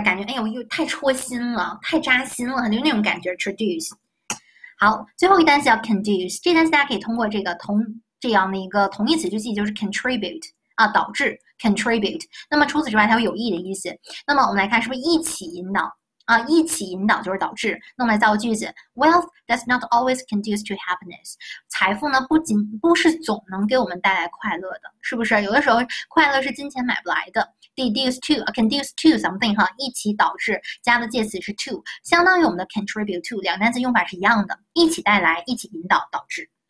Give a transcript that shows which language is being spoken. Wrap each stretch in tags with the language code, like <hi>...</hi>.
<zh>感觉哎呦，又太戳心了，太扎心了，就那种感觉。 traduce，好，最后一单词叫 conduce，这单词大家可以通过这样的一个同义词去记，就是 contribute 啊，导致 contribute。那么除此之外，它有有益的意思。那么我们来看，是不是一起引导啊？一起引导就是导致。那我们来造个句子：</zh> <en>Wealth does not always conduce to happiness。</en> <zh>财富呢，不是总能给我们带来快乐的，是不是？有的时候快乐是金钱买不来的。</zh> <en>deduce to conduce to something</en> <zh>哈，一起导致加的介词是 to，相当于我们的 contribute to，两个单词用法是一样的，一起带来，一起引导，导致。</zh>